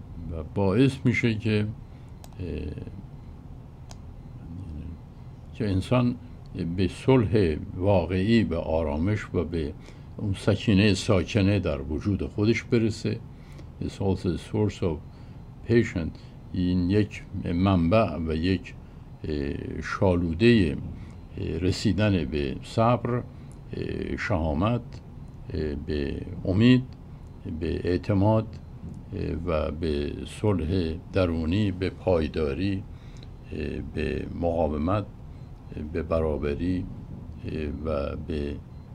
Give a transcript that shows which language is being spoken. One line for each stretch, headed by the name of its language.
Persian: و باعث میشه که انسان به صلح واقعی، به آرامش و به اون سکینه ساکنه در وجود خودش برسه.
English: It's also a source of patience.
Persian: این یک منبع و یک شالوده رسیدن به صبر، شهامت، به امید، به اعتماد و به صلح درونی، به پایداری، به مقاومت، به برابری و به